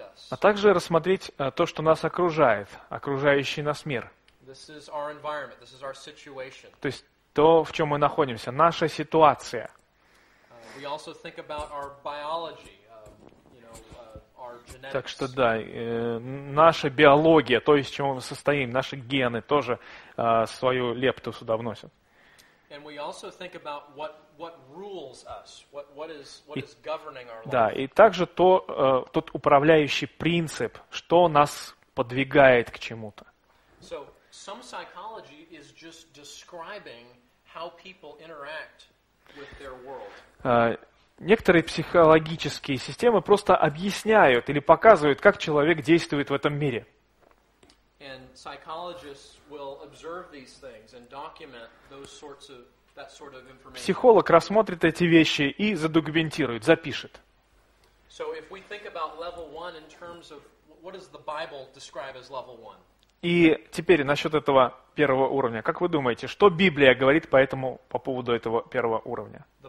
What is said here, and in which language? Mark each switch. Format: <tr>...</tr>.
<ru>А также рассмотреть то, что нас окружает, окружающий нас мир.</ru> <en>This is our environment. This is our situation.</en> <ru>То есть то, в чем мы находимся, наша ситуация.</ru> <en>We also think about our biology, you know, our genetics.</en> <ru>Так что да, наша биология, то, из чего мы состоим, наши гены тоже свою лепту сюда вносят.</ru> <en>And we also think about what rules us, what is governing our life.</en> <ru>Да, и также то, тот управляющий принцип, что нас подвигает к чему-то.</ru> <en>So, some psychology is just describing how people interact with their world.</en> <ru>Некоторые психологические системы просто объясняют или показывают, как человек действует в этом мире.</ru> <en>And psychologists will observe these things and document those sorts of that sort of information.</en> <ru>Психолог рассмотрит эти вещи и задокументирует, запишет.</ru> <en>So if we think about level one in terms of what does the Bible describe as level one?</en> <ru>И теперь насчет этого первого уровня. Как вы думаете, что Библия говорит по этому, по поводу этого первого уровня?</ru>